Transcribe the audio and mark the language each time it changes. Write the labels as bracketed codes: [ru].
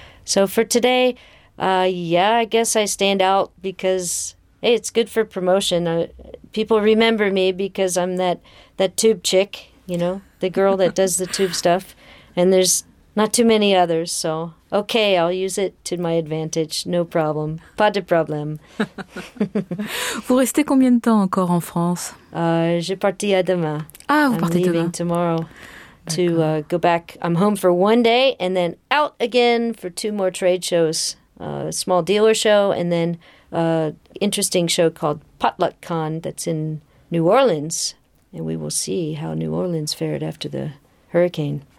[en] So for today, I guess I stand out because, hey, it's good for promotion. People remember me because I'm that tube chick, you know, the girl that does the tube stuff, and there's not too many others, so okay, I'll use it to my advantage. No problem. [fr] Pas de problème. Vous restez combien de temps encore en France? Je partis à demain. Ah, vous partez demain. [en] I'm leaving tomorrow to go back. I'm home for one day and then out again for two more trade shows. A small dealer show and then an interesting show called Potluck Con that's in New Orleans. And we will see how New Orleans fared after the hurricane.